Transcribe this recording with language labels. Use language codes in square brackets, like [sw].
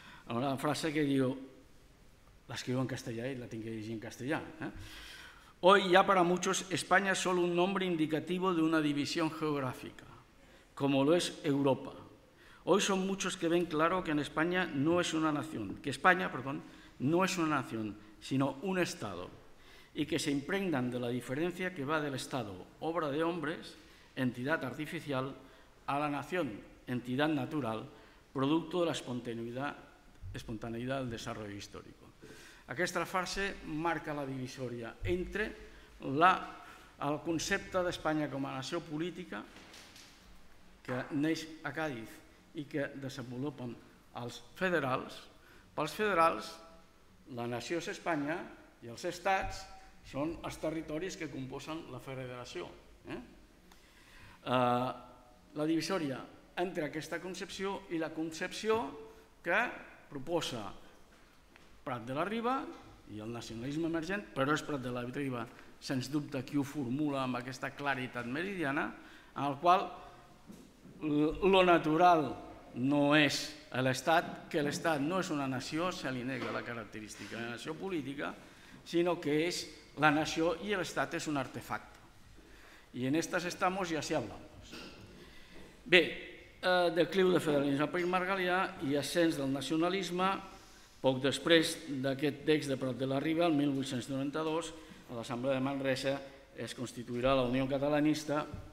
[ca] Una frase que diu, l'escriu en castellà i la tinc que llegir en castellà. [es] Hoy ya para muchos España es solo un nombre indicativo de una división geográfica, como lo es Europa. Hoy son muchos que ven claro que en España no es una nación, que España, perdón, no es una nación, sino un Estado, y que se impregnan de la diferencia que va del Estado, obra de hombres, entidad artificial, a la nación, entidad natural, producto de la espontaneidad del desarrollo histórico. [ca] Aquesta frase marca la divisòria entre el concepte d'Espanya com a nació política que neix a Càdiz i que desenvolupen els federals. Pels federals, la nació és Espanya i els estats són els territoris que composen la federació. La divisòria entre aquesta concepció i la concepció que proposa Prat de la Riba i el nacionalisme emergent, però és Prat de la Riba, sens dubte, qui ho formula amb aquesta claritat meridiana, en el qual lo natural no és l'Estat, que l'Estat no és una nació, se li nega la característica de nació política, sinó que és la nació i l'Estat és un artefacte. [es] I en estas estamos y así hablamos. [ca] Bé, decliu de federalisme per Margalià i ascens del nacionalisme. Poc després d'aquest text de Prat de la Riba, el 1892, a l'Assemblea de Manresa es constituirà la Unió Catalanista.